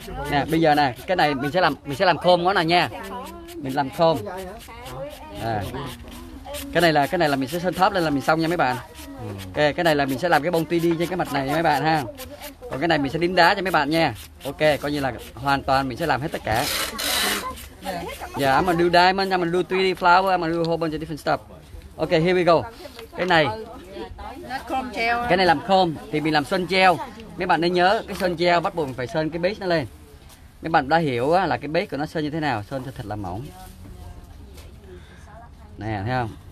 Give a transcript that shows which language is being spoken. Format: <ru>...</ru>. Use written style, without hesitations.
<vi>Nè, bây giờ nè, cái này mình sẽ làm khôm ngón này nha. Mình làm khôm. À. Cái này là mình sẽ sơn top lên là mình xong nha mấy bạn. Ok, cái này là mình sẽ làm cái bông TD trên cái mặt này nha mấy bạn ha. Còn cái này mình sẽ đính đá cho mấy bạn nha. Ok, coi như là hoàn toàn mình sẽ làm hết tất cả.</vi> <en>Dạ, yeah, I'm gonna do diamond, I'm gonna do 3D flower, I'm gonna do a whole bunch of different stuff. Ok, here we go.</en> <vi>Cái này, cái này làm chrome thì mình làm sơn gel. Mấy bạn nên nhớ cái sơn gel bắt buộc mình phải sơn cái base nó lên. Mấy bạn đã hiểu là cái base của nó sơn như thế nào, sơn cho thật là mỏng. Nè, thấy không?</vi>